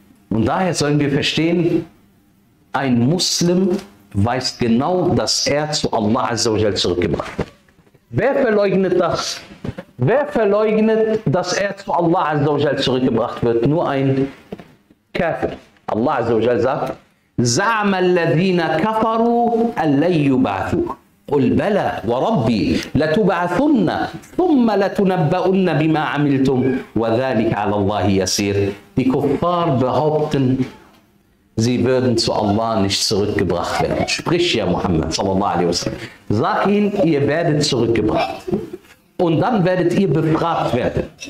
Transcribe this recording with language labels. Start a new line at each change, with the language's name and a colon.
German: Und daher sollen wir verstehen, ein Muslim weiß genau, dass er zu Allah Azza wa Jal zurückgebracht wird. Wer verleugnet das? Wer verleugnet, dass er zu Allah Azza wa Jal zurückgebracht wird? Nur ein Kafir.
Arabic: Allah Azza wa Jal sagt, زعم الذين كفروا أن لن يبعثوا. قل بلى وربي لتبعثن ثم لتنبؤن بما عملتم وذلك على الله يسير.
German: Die Kuffar behaupten, sie würden zu Allah nicht zurückgebracht werden. Sprich, ja Muhammad, sallallahu alaihi wasallam. Sag ihnen, ihr werdet zurückgebracht. Und dann werdet ihr befragt werden.